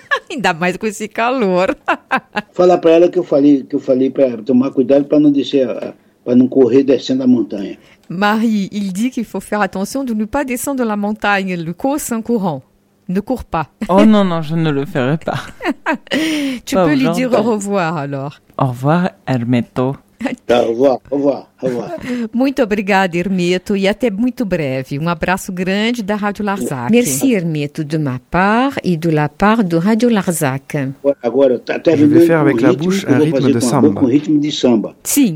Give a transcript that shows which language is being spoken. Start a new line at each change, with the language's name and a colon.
Portuguese: Ainda mais com esse calor. Fala para ela que eu falei para tomar cuidado para não descer, para não correr descendo a montanha.
French: Marie, il dit qu'il faut faire attention de ne pas descendre la montagne, le cours en courant. Ne cours pas. Oh non, non, je ne le ferai pas. Tu pas peux lui dire au revoir alors. Au revoir, Hermeto.
Portuguese: Tá,
French: au revoir.
Portuguese: Muito obrigada, Hermeto, e até muito breve. Um abraço grande da Rádio Larzac.
French: Merci, Hermeto, de ma part e de la part de Rádio Larzac.
Portuguese: Agora, até eu vou fazer com a boca um ritmo de samba. Com ritmo de samba. Sim.